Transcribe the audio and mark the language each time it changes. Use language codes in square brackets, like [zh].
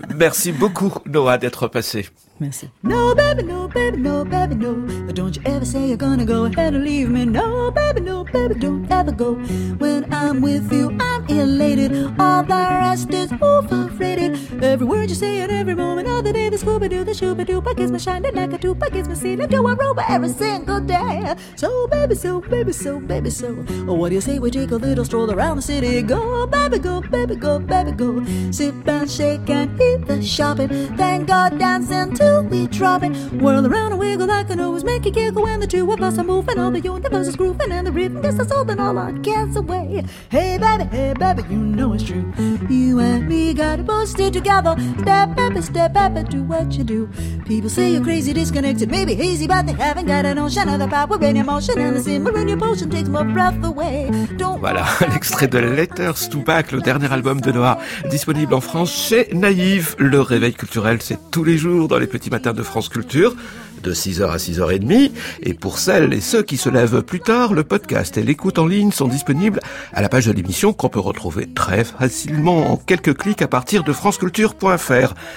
[fr] Merci beaucoup, Noah, d'être passé. Merci. [en] No, baby, no, baby, no, baby, no. Don't you ever say you're gonna go ahead and leave me. No, baby, no, baby, don't ever go. When I'm with you, I'm elated. All the rest is overrated. Every word you say at every moment of the day, the Scooby-Doo, the Shoop-a-Doop, I kiss my shine, the Nakatoop, I kiss my seat, I do a robot every single day. So baby, so baby, so baby, so, what do you say we take a little stroll around the city? Go baby, go baby, go baby, go. Sit down, shake and eat the shopping, then go dance until we drop it. Whirl around and wiggle, I can always make you giggle when the two of us are moving. All the universe is grooving and the rhythm gets us all, then all our cares away. Hey baby, you know it's true. You and me gotta boost it together. Step baby, do what you do. People say you're crazy, disconnected, maybe hazy, but they haven't got a notion of the power in your motion, and the simmer in your potion takes my breath away. Don't. [fr] Voilà, l'extrait de Letters to Back, le dernier album de Noah, disponible en France chez Naïve. Le réveil culturel, c'est tous les jours dans les petits matins de France Culture, de 6h à 6h30. Et pour celles et ceux qui se lèvent plus tard, le podcast et l'écoute en ligne sont disponibles à la page de l'émission, qu'on peut retrouver très facilement en quelques clics à partir de franceculture.fr.